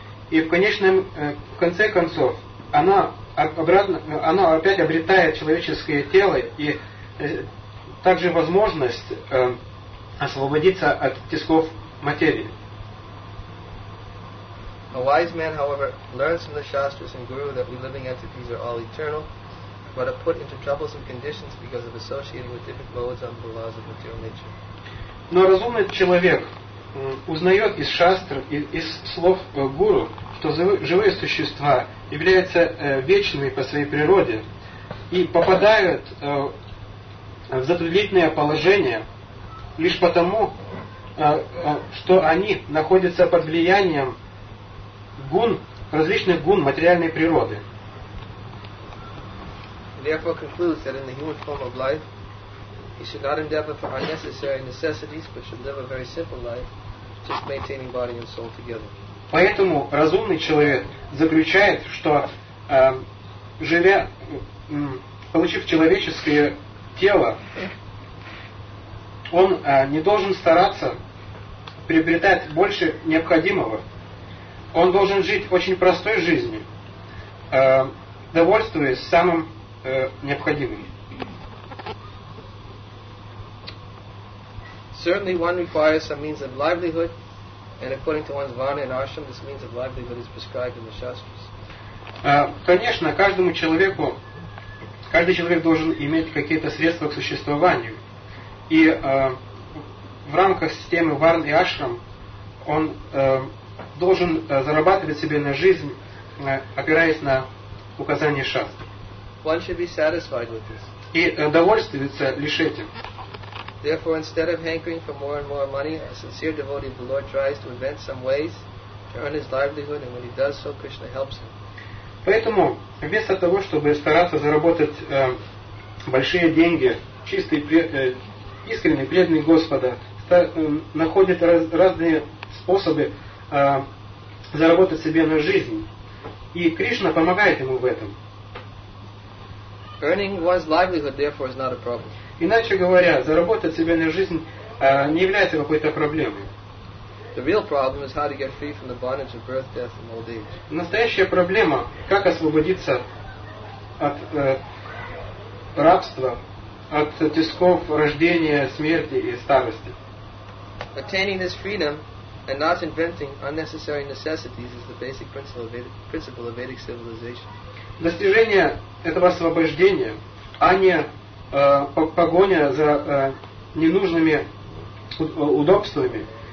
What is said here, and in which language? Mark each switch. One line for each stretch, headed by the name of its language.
Russian: И в конце концов, оно опять обретает человеческое тело и также возможность освободиться от тисков материи.
English: A wise man, however, learns from the Shastras and Guru that we living entities are all eternal, but are put into troublesome conditions because of associating with different modes under the laws of material nature.
Russian: Но разумный человек узнает из шастр, из слов гуру, что живые существа являются вечными по своей природе и попадают в затруднительное положение лишь потому, что они находятся под влиянием гун, различных гун материальной природы.
English: Therefore concludes that in the human form of life, he should not endeavor for unnecessary necessities, but should live a very simple life, just maintaining body and soul together.
Russian: Поэтому разумный человек заключает, что живя, получив человеческое тело, он не должен стараться приобретать больше необходимого. Он должен жить очень простой жизнью, довольствуясь самым необходимым.
English: Certainly one requires some means of livelihood, and according to one's vana and ashram, this means of livelihood is prescribed in the shastras.
Russian: Конечно, каждому человеку, каждый человек должен иметь какие-то средства к существованию. И в рамках системы варн и ашрам он должен зарабатывать себе на жизнь, опираясь на указания шастр.
English: One should be satisfied with this.
Russian: И довольствоваться лишь этим.
English: Therefore, instead of hankering for more and more money, a sincere devotee of the Lord tries to invent some ways to earn his livelihood, and when he does so, Krishna helps him.
Russian: Поэтому, вместо того, чтобы стараться заработать большие деньги, чистый, искренний, преданный Господа, находит разные способы заработать себе на жизнь. И Кришна помогает ему в этом.
English: Earning one's livelihood, therefore, is not a problem.
Russian: Иначе говоря, заработать себе на жизнь не является какой-то проблемой.
English: The real problem is how to get free from the bondage of birth, death, and old age.
Russian: Настоящая проблема, как освободиться от рабства, от тисков рождения, смерти и старости.
English: Attaining this freedom and not inventing unnecessary necessities is the basic principle of Vedic civilization.
Russian: Достижение этого освобождения, а не погоня за ненужными удобствами.